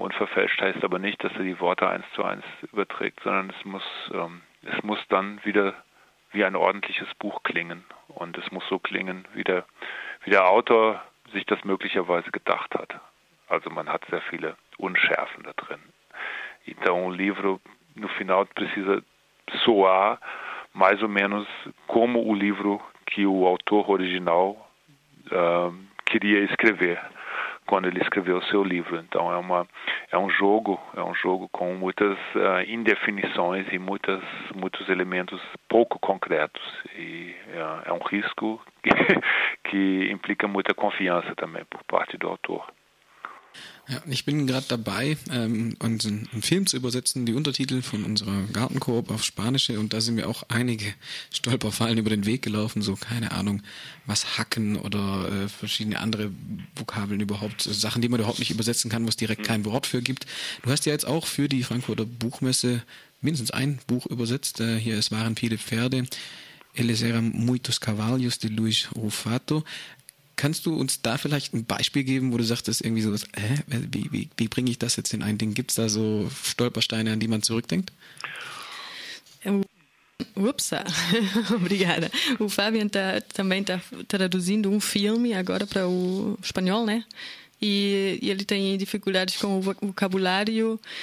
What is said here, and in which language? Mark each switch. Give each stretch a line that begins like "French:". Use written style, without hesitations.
German: Unverfälscht heißt aber nicht, dass er die Worte eins zu eins überträgt, sondern es muss dann wieder wie ein ordentliches Buch klingen. Und es muss so klingen, wie der Autor sich das möglicherweise gedacht hat. Also man hat sehr viele Unschärfen da drin.
Portuguese: Então, o livro, no final, precisa soar mais ou menos como o livro que o autor original queria escrever quando ele escreveu o seu livro. Então é um jogo com muitas indefinições e muitos elementos pouco concretos. E é um risco que implica muita confiança também por parte do autor.
German: Ja, ich bin gerade dabei, einen Film zu übersetzen, die Untertitel von unserer Gartenkoop auf Spanische, und da sind mir auch einige Stolperfallen über den Weg gelaufen, so keine Ahnung, was hacken oder verschiedene andere Vokabeln überhaupt, Sachen, die man überhaupt nicht übersetzen kann, wo es direkt kein Wort für gibt. Du hast ja jetzt auch für die Frankfurter Buchmesse mindestens ein Buch übersetzt, hier Es waren viele Pferde,
Portuguese: Eles eram muitos cavalos
German: de Luiz Rufato. Kannst du uns da vielleicht ein Beispiel geben, wo du sagtest, irgendwie sowas, wie bringe ich das jetzt in ein Ding? Gibt es da so Stolpersteine, an die man zurückdenkt?
Portuguese: Upsa, obrigada. O Fabian está também tá traduzindo um filme agora para o espanhol, né? E ele tem dificuldades com o vocabulário.